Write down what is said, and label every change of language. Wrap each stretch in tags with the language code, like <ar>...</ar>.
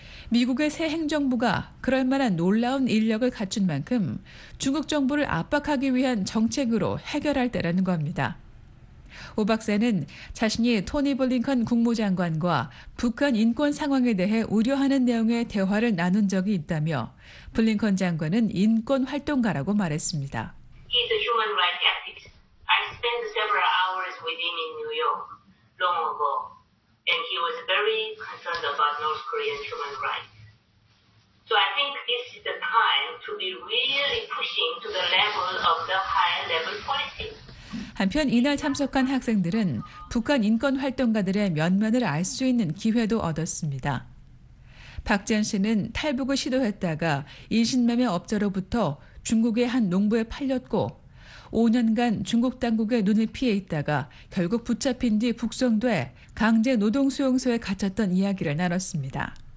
<ko>미국의 새 행정부가 그럴 만한 놀라운 인력을 갖춘 만큼 중국 정부를 압박하기 위한 정책으로 해결할 때라는 겁니다. 오 박사는 자신이 토니 블링컨 국무장관과 북한 인권 상황에 대해 우려하는 내용의 대화를 나눈 적이 있다며 블링컨 장관은 인권 활동가라고 말했습니다.</ko> <en>He's a human rights ethics. I spent several hours with him in New York long ago, and he was very concerned about North Korean human rights. So I think this is the time to be really pushing to the level of the higher level policy.</en> <ko>한편 이날 참석한 학생들은 북한 인권 활동가들의 면면을 알 수 있는 기회도 얻었습니다. 박지현 씨는 탈북을 시도했다가 인신매매 업자로부터 중국의 한 농부에 팔렸고 5년간 중국 당국의 눈을 피해 있다가 결국 붙잡힌 뒤 북송돼 강제 노동 수용소에 갇혔던 이야기를 나눴습니다.</ko>